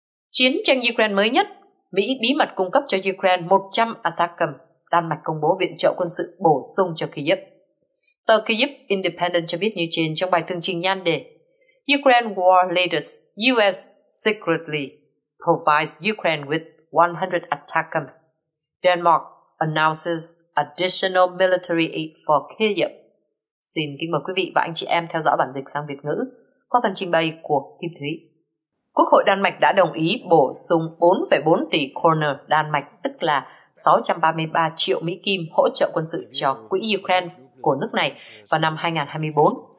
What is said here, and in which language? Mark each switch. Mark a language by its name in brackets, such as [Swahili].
[Vietnamese] Chiến tranh Ukraine mới nhất, Mỹ bí mật cung cấp cho Ukraine 100 ATACMS, Đan Mạch công bố viện trợ quân sự bổ sung cho Kyiv. Tờ Kyiv Independent cho biết như trên trong bài tường trình nhan đề [English] Ukraine War Leaders, US Secretly Provides Ukraine with 100 ATACMS. Denmark announces additional military aid for Kyiv. [Vietnamese] Xin kính mời quý vị và anh chị em theo dõi bản dịch sang Việt ngữ qua phần trình bày của Kim Thúy. Quốc hội Đan Mạch đã đồng ý bổ sung 4,4 tỷ kroner Đan Mạch, tức là 633 triệu Mỹ Kim hỗ trợ quân sự cho quỹ Ukraine của nước này vào năm 2024.